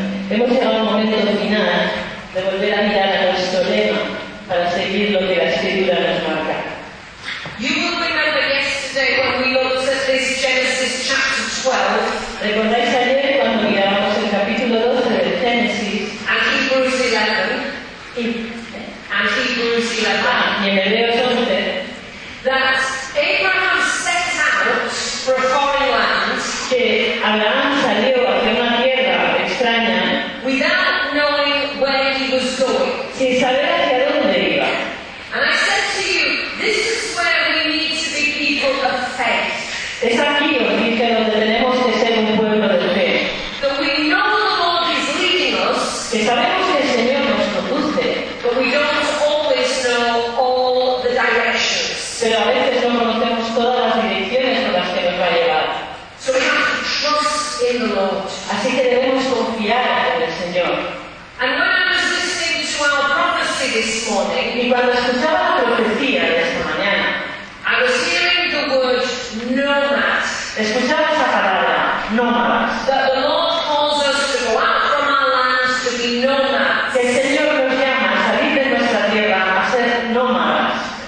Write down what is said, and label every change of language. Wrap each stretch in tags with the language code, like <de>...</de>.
<es>Hemos llegado al momento de final, de volver a mirar a nuestro lema para seguir lo que la Escritura nos marca.</es> <en>You will remember yesterday when we looked at this Genesis chapter 12.</en> <es>¿Recordáis ayer cuando mirábamos el capítulo 12 del Génesis?</es> <en>And Hebrews 11. And Hebrews 11.</en> <es>Y en Hebreos 11.</es> <en>That Abraham set out for a foreign land.</en> <es>Que Abraham salió hacia una tierra extraña.</es> <en>Without knowing where he was going.</en> <es>Sin saber hacia dónde iba.</es> <en>And I said to you, this is where we need to be people of faith.</en> <es>Es aquí, os dije, donde tenemos que ser un pueblo de fe.</es> <en>That we know the Lord is leading us.</en> <es>Que sabemos que el Señor nos conduce.</es> <en>But we don't always know all the directions.</en> <es>Pero a veces no conocemos todas las direcciones con las que nos va a llevar.</es> <en>So we have to trust in the Lord.</en> <es>Así que debemos confiar.</es> <en>And when I was listening to our prophecy this morning,</en> <es>y cuando escuchaba la profecía de esta mañana,</es> <en>I was hearing the word nomad.</en> <es>Escuchaba esa palabra, nomads.</es> <en>That the Lord calls us to go out from our lands to be nomads.</en> <es>Que el Señor nos llama a salir de nuestra tierra a ser nomads.</es>